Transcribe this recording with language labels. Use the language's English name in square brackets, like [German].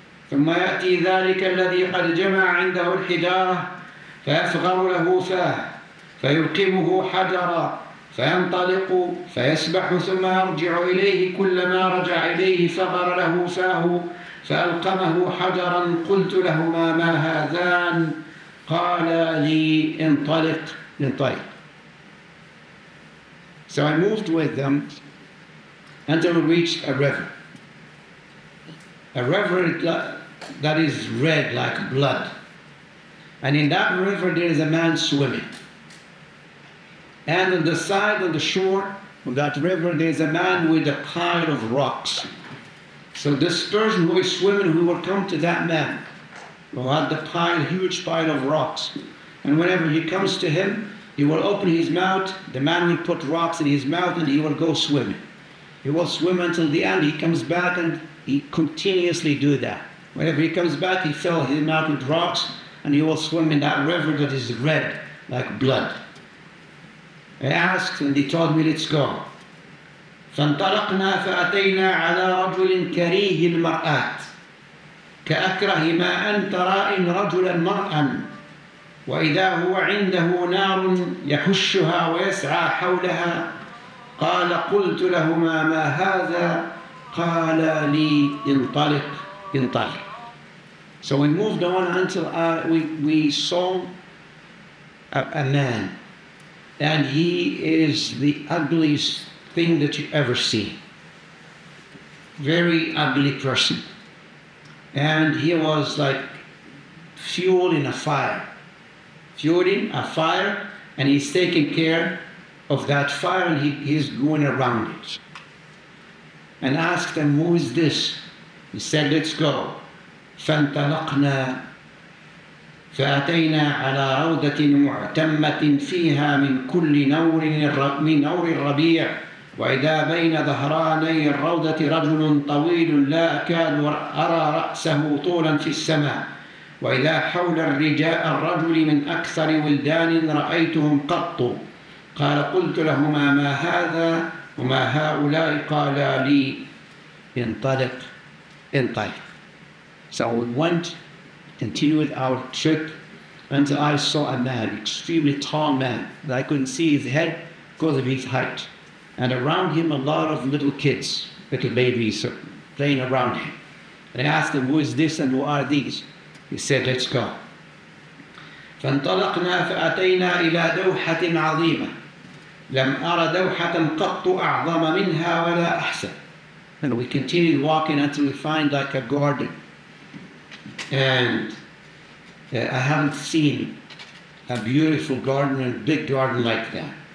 [Arabic] ثم يأتي ذلك الذي قد جمع عنده الحجارة فيفغر له فاه فيلقمه حجرا فينطلق فيسبح ثم يرجع إليه كلما رجع إليه فغر له فاه فألقمه حجرا قلت لهما ما هذان قال لي انطلق. [English] So I moved with them until we reached a river that is red like blood, and in that river there is a man swimming, and on the side of the shore of that river there is a man with a pile of rocks. So this person who is swimming, who will come to that man, will have the pile, huge pile of rocks. And whenever he comes to him, he will open his mouth, the man will put rocks in his mouth, and he will go swimming. He will swim until the end, he comes back, and he continuously do that. Whenever he comes back, he fill his mouth with rocks, and he will swim in that river that is red, like blood. I asked, and he told me, let's go. [Arabic] فانطلقنا فأتينا على رجل كريه المرآة كأكره ما أن ترى إن رجلا مرأة وإذا هو عنده نار يحشها ويسعى حولها قال قلت لهما ما هذا قال لي انطلق. [English] So we moved on until we saw a man, and he is the ugliest thing that you ever see. Very ugly person. And he was like fueling a fire. Fueling a fire, and he's taking care of that fire, and he's going around it. And asked him, who is this? He said, let's go. [Arabic] فانطلقنا فأتينا على روضة معتمة فيها من كل نور من نور الربيع وإذا بين ظهراني الروضة رجل طويل لا أكاد أرى رأسه طولا في السماء وإذا حول الرجل من أكثر ولدان رأيتهم قط قال قلت لهما ما هذا وما هؤلاء قالا لي انطلق انطلق. [English] So we went, continued our trip, until I saw a man, extremely tall man, that I couldn't see his head because of his height. And around him, a lot of little kids, little babies, playing around him. And I asked him, who is this and who are these? He said, let's go. [Arabic] فانطلقنا فأتينا إلى دوحة عظيمة. لم أرى دوحة قط أعظم منها ولا أحسن. [English] And we continued walking until we find like a garden. And I haven't seen a beautiful garden, a big garden like that.